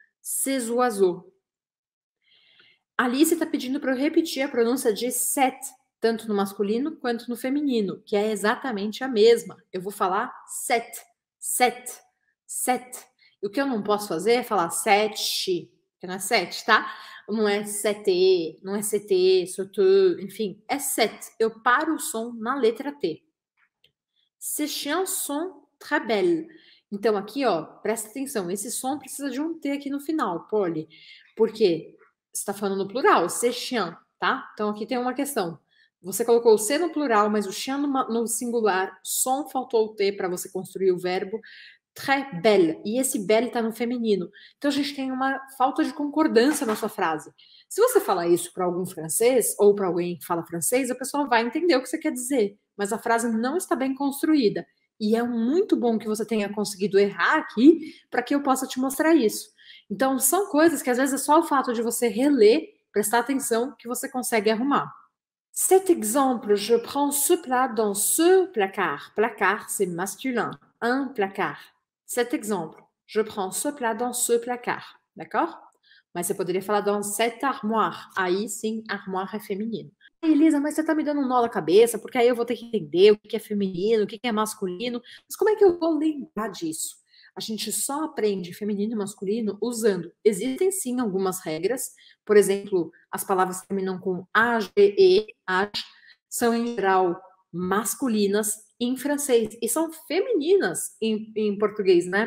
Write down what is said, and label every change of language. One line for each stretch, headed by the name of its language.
Portuguese: Sesuazô. Alice está pedindo para eu repetir a pronúncia de set, tanto no masculino quanto no feminino, que é exatamente a mesma. Eu vou falar set, set, set. E o que eu não posso fazer é falar sete, que não é sete, tá? Não é sete, não é sete, sotto, enfim, é sete. Eu paro o som na letra T.
French: Ces chansons très belles.
Portuguese: Então, aqui, ó, presta atenção, esse som precisa de um T aqui no final, Polly. Porque você está falando no plural,
French: ces chiens,
Portuguese: tá? Então, aqui tem uma questão. Você colocou o C no plural, mas o chien no singular, som faltou o T para você construir o verbo.
French: Très belle.
Portuguese: E esse belle está no feminino. Então a gente tem uma falta de concordância na sua frase. Se você falar isso para algum francês ou para alguém que fala francês, a pessoa vai entender o que você quer dizer. Mas a frase não está bem construída. E é muito bom que você tenha conseguido errar aqui para que eu possa te mostrar isso. Então são coisas que às vezes é só o fato de você reler, prestar atenção, que você consegue arrumar.
French: Cet exemple, je prends ce plat dans ce placard. Placard, c'est masculin. Un placard. Cet exemple, je prends ce plat dans ce placard, d'accord?
Portuguese: Mas você poderia falar
French: dans cette armoire.
Portuguese: Aí sim, armoire é feminino. Ai, Elisa, mas você está me dando um nó na cabeça, porque aí eu vou ter que entender o que é feminino, o que é masculino. Mas como é que eu vou lembrar disso? A gente só aprende feminino e masculino usando. Existem sim algumas regras, por exemplo, as palavras que terminam com a, g, e, a, são em geral masculinas em francês e são femininas em português, né?